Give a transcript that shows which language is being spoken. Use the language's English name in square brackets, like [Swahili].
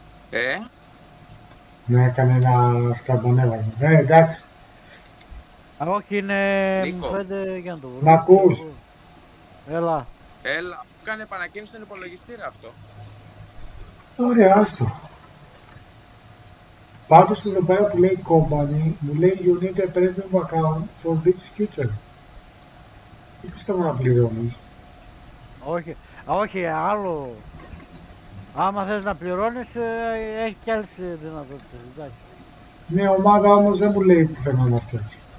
[Greek] Ε. Ναι, έκανε ένα σκαμπονέβαλο. Ναι, εντάξει. Όχι, είναι... Νίκο. Μ' ακούς. Έλα. Έλα. Κάνε επανακίνηση στον υπολογιστή ρε αυτό. Ωραία, άστο. Πάντως εδώ πέρα που λέει company, μου λέει [English] you need a premium account for this future. [Greek] Τι πιστεύω να πληρώνεις. Όχι. Όχι, άλλο. Άμα θες να πληρώνεις, έχει κι άλλες δυνατότητες, εντάξει. Μια ομάδα όμως δεν μου λέει που θέλω να φτιάξω.